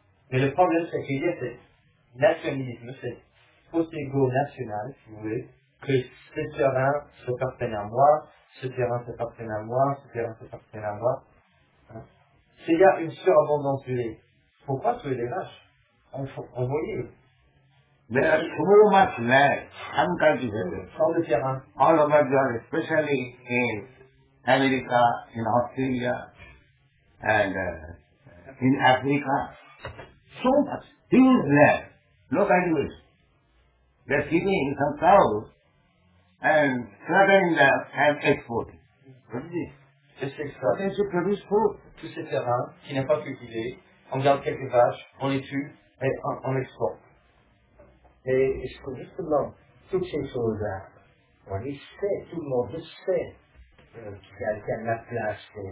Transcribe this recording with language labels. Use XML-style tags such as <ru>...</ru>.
<fr>Mais le problème, c'est qu'il y a ce nationalisme, ce faux ego national, si vous voulez, que ce terrain s'appartient à moi, ce terrain s'appartient à moi, ce terrain s'appartient à moi. S'il y a une surabondance du lait, pourquoi tuer les vaches? On voyait.</fr> <en>There are so much land, uncultivated, all over the world, especially in America, in Australia, and in Africa. So much, huge land, no cultivation. They are keeping some cows and slaughtering them and exporting. What is this?</en> <fr>C'est extra. Comment se produit pour tous ces terrains qui n'ont pas cultivé, on garde quelques vaches, on les tue et on exporte. Et justement, toutes ces choses-là, on les sait, tout le monde sait qu'il y a quelqu'un à la place.</fr>